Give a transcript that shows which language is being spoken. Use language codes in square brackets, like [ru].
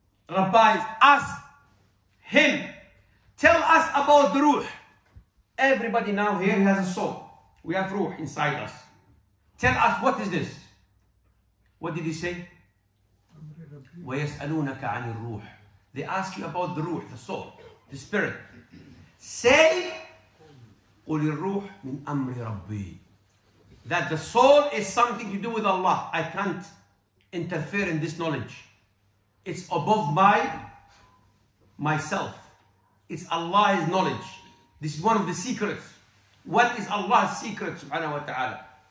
[en] Rabbi, ask him. Tell us about the ruh. Everybody now here has a soul. We have ruh inside us. Tell us, what is this? What did he say? [ar] وَيَسْأَلُونَكَ عَنِ الرُّوحِ. [en] They ask you about the ruh, the soul, the spirit. Say, [ar] قُلِ الرُّوحِ مِنْ أَمْرِ رَبِّي. [en] That the soul is something to do with Allah. I can't interfere in this knowledge. It's above my myself. It's Allah's knowledge. This is one of the secrets. What is Allah's secret, subhanahu wa ta'ala?